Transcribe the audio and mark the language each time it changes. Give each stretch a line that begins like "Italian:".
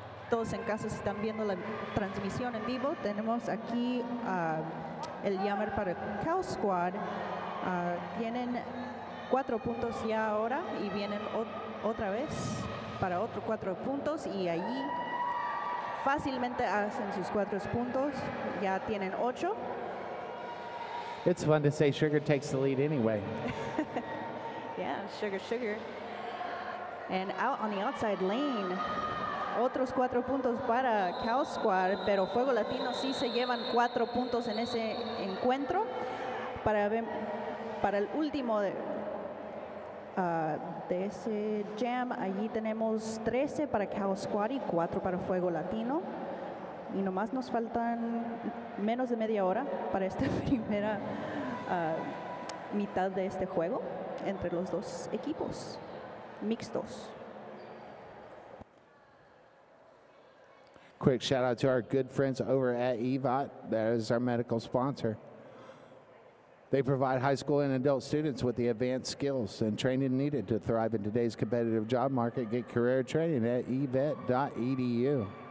Spanish: Todos en casa están viendo la transmisión en vivo. Tenemos aquí el llamar para Cal Squad. Tienen 4 puntos ya ahora y vienen otra vez para otro 4 puntos y allí fácilmente hacen sus 4 puntos. Ya tienen 8.
English: It's fun to say Sugar takes the lead anyway. Yeah, Sugar, Sugar. And out on the outside lane,
Spanish: otros 4 puntos para Cal Squad, pero Fuego Latino sí se llevan 4 puntos en ese encuentro. Para el último de ese jam, allí tenemos 13 para Cal Squad y 4 para Fuego Latino. Y nomás nos faltan menos de media hora para esta primera mitad de este juego entre los dos equipos mixtos.
English: Quick shout out to our good friends over at EVOT. That is our medical sponsor. They provide high school and adult students with the advanced skills and training needed to thrive in today's competitive job market. Get career training at evet.edu.